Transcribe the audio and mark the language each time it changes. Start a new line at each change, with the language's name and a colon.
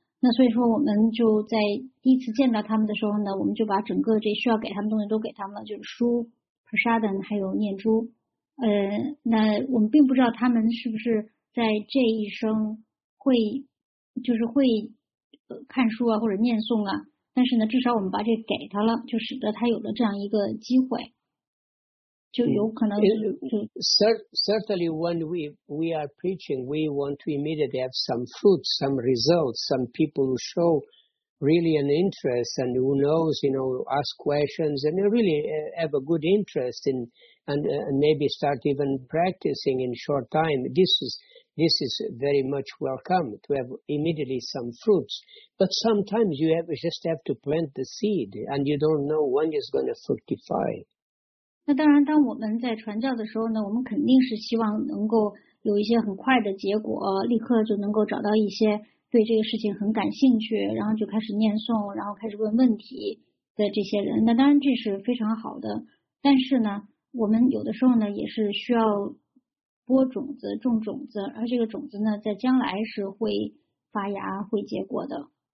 Chinese: 那所以说我们就在第一次见到他们的时候呢，我们就把整个这需要给他们东西都给他们了，就是书 prasadam 还有念珠。那我们并不知道他们是不是在这一生会就是会看书啊或者念诵啊，但是呢至少我们把这给他了，就使得他有了这样一个机会。就有可能
English: Certainly when we are preaching, we want to immediately have some fruits, some results, some people who show really an interest and who knows, you know, ask questions and really have a good interest in and maybe start even practicing in short time. This is very much welcome to have immediately some fruits. But sometimes you just have to plant the seed and you don't know when it's going to fructify.
Chinese: 那当然当我们在传教的时候呢，我们肯定是希望能够有一些很快的结果，立刻就能够找到一些对这个事情很感兴趣，然后就开始念诵，然后开始问问题的这些人。那当然这是非常好的，但是呢我们有的时候呢也是需要播种子，种种子，而这个种子呢在将来是会发芽会结果的。